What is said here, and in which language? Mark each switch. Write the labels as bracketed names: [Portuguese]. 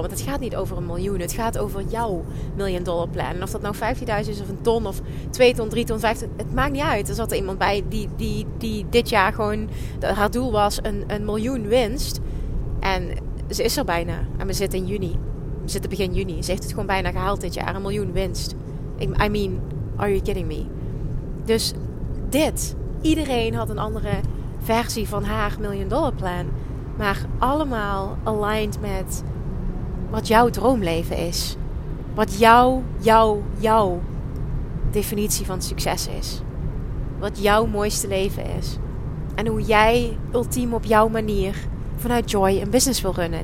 [Dutch] Want het gaat niet over een miljoen. Het gaat over jouw million dollar plan. En of dat nou 15.000 is of een ton of 2 ton, 3 ton, 5 ton. Het maakt niet uit. Er zat er iemand bij die dit jaar gewoon, haar doel was een miljoen winst. En ze is er bijna. En we zitten in juni. We zitten begin juni. Ze heeft het gewoon bijna gehaald dit jaar. Een miljoen winst. [English] I mean, are you kidding me? [Dutch] Dus dit. Iedereen had een andere versie van haar million dollar plan. Maar allemaal aligned met wat jouw droomleven is. Wat jouw definitie van succes is. Wat jouw mooiste leven is. En hoe jij ultiem op jouw manier vanuit joy een business wil runnen.